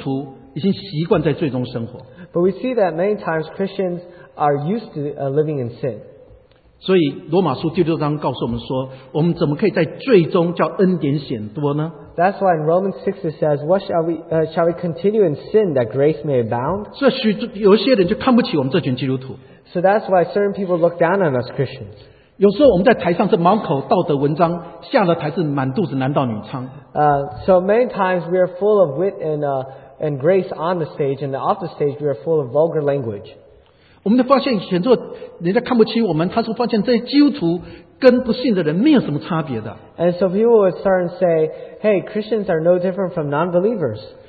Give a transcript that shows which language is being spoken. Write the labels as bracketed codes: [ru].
[zh] 可是很多时候我们看见不少的基督徒已经习惯在罪中生活。 [en] But we see that many times Christians are used to living in sin. [zh] 所以罗马书第六章告诉我们说，我们怎么可以在罪中叫恩典显多呢？ [en] That's why in Romans 6 it says, what shall we continue in sin that grace may abound? So that's why certain people look down on us Christians. So many times we are full of wit and grace on the stage, and off the stage we are full of vulgar language. [zh] 我们就发现很多人家看不起我们，他说发现这些基督徒跟不信的人没有什么差别的。 [en] And so people would start and say, hey, Christians are no different from non-believers.